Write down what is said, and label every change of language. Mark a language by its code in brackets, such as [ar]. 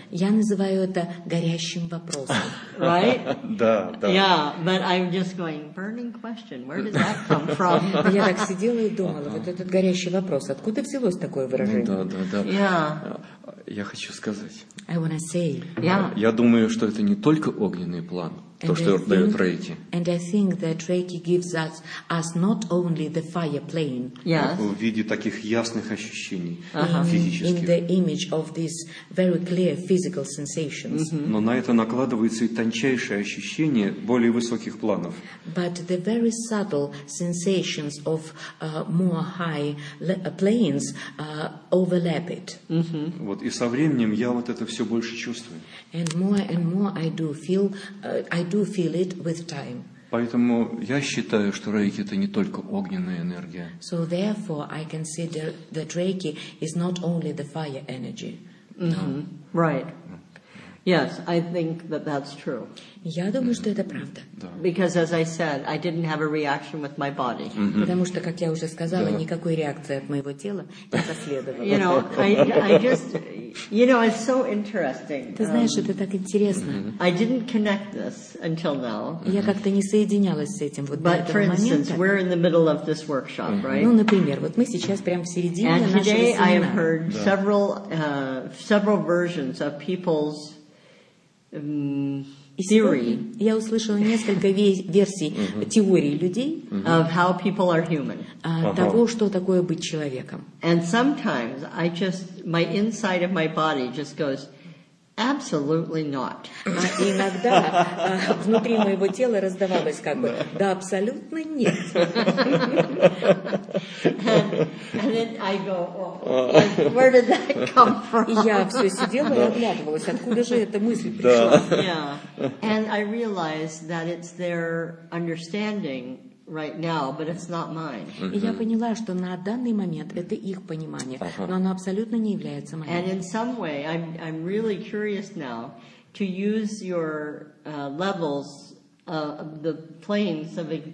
[ru] Я называю это горящим вопросом. [en] Right? [ru] Да, да. [en] Yeah, but I'm just going, burning question, where does that come from? [ru] Я так сидела и думала, вот этот горящий вопрос, откуда взялось такое выражение? Да, да, да. [en] Yeah. [ru] Я хочу сказать. [en] I want to say. Yeah. [ru] Я думаю, что это не только огненный план, то, что дает Рейки. [en] And I think that Reiki gives us not only the fire plane. Yes. [ru] В виде таких ясных ощущений физических. [en] In the image of these very clear physical sensations. [ru] Но на это накладываются и тончайшие ощущения более высоких планов. [en] But the very subtle sensations of more high planes overlap it. [ru] Вот, и со временем я вот это все больше чувствую. [en] And more I do feel, I do feel it with time. [ru] Поэтому я считаю, что Рейки это не только огненная энергия. [en] So therefore I consider that Reiki is not only the fire energy. Right. Yes, I think that that's true. [ru] Я думаю, что это правда. [en] Because as I said, I didn't have a reaction with my body. [ru] Потому что, как я уже сказала, никакой реакции от моего тела не последовало. [en] You know, I just, you know, it's so interesting. [ru] Ты знаешь, это так интересно. [en] I didn't connect this until now. [ru] Я как-то не соединялась с этим вот до этого момента. [en] But for instance, we're in the middle of this workshop, right? [ru] Ну, например, вот мы сейчас прямо в середине нашего семинара. [en] And today I have heard several versions of people's theory. [ru] Я услышала несколько версий теории людей [en] of how people are human. [ru] Того, что такое быть человеком. [en] And sometimes I just my inside of my body just goes Absolutely not. [ru] Иногда внутри моего тела раздавалось как бы, да, абсолютно нет. [en] And then I go, oh, where did that come from? [ru] И я все сидела и оглядывалась, откуда же эта мысль пришла? [en] And I realized that it's their understanding right now, but it's not mine. [ru] И я поняла, что на данный момент это их понимание, но оно абсолютно не является моим. [en] And in some way, I'm really curious now to use your levels of the planes of